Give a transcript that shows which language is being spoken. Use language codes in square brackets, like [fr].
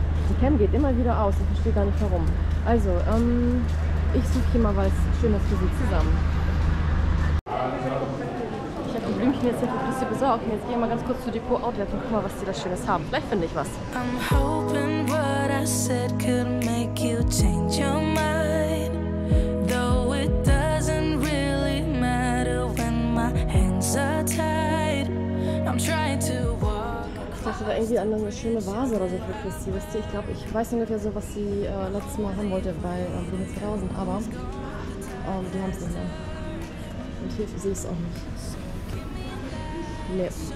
[de] Die Cam geht immer wieder aus, ich verstehe gar nicht warum. Also, ich suche hier mal was Schönes für sie zusammen. Ich habe die Blümchen jetzt hier für Christi besorgt und jetzt gehe ich mal ganz kurz zu Depot Outlet und guck mal, was die da Schönes haben. Vielleicht finde ich was. [en] I'm hoping what I said could make you change your mind. Though it doesn't really matter when my hands are tied. I'm trying to. [de] Ich dachte da irgendwie an eine schöne Vase oder so für Christi, wisst ihr? Ich glaube, ich weiß ungefähr so, was sie letztes Mal haben wollte bei Blumen 2000, aber die haben es nicht mehr. Und hier sehe ich es auch nicht. Nee.